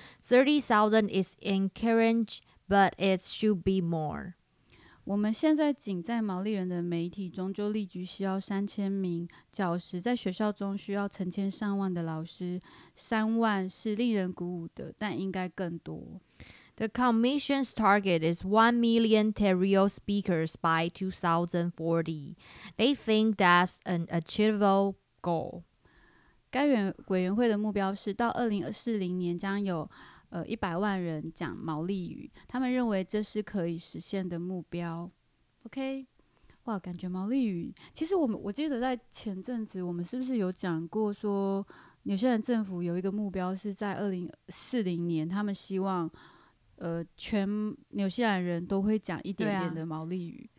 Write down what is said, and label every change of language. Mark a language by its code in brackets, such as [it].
[en] 30,000 is encouraged, but it should be more. [zh] 我们现在仅在毛利人的媒体中就例举需要3000名教师，在学校中需要成千上万的老师，三万是令人鼓舞的，但应该更多。 [en] The commission's target is 1 million Terrio speakers by 2040. They think that's an achievable goal. [zh] 该委员会的目标是到2040年将有100万人讲毛利语，他们认为这是可以实现的目标。 OK， 哇，感觉毛利语，其实我记得在前阵子，我们是不是有讲过说，纽西兰政府有一个目标是在2040年，他们希望全纽西兰人都会讲一点点的毛利语。